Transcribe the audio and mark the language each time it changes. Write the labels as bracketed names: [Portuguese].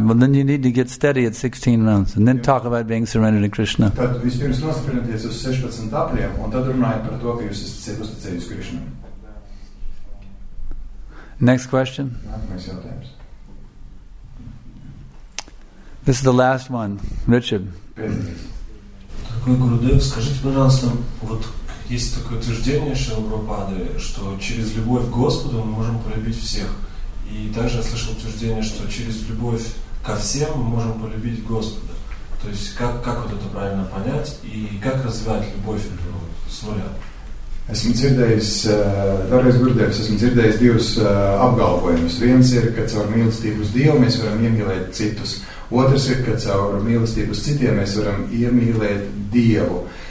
[English] Well, then you need to get steady at 16 rounds and then talk about being surrendered to Krishna. [Latvian] Tad jūs pirms nostiprināties uz 16 apriem un tad runājat par to, ka jūs esat uzticējis Krishna. [English] Next question. [Latvian] Nākamais jautājums. [English] This is the last one. Richard. [Russian] Gurudev, скажите, пожалуйста, вот есть такое утверждение Шрилы Прабхупады, что через любовь к Господу мы можем полюбить всех. И также я слышал утверждение, что через любовь ко всем мы можем полюбить Господа. То есть как вот это правильно понять и как развивать любовь с нуля? [Latvian] Es esmu dzirdējis divus apgalvojumus. Viens ir, ka caur mīlestību uz Dievu mēs varam iemīlēt citus. Otrs ir, ka caur mīlestību uz citiem mēs varam iemīlēt Dievu.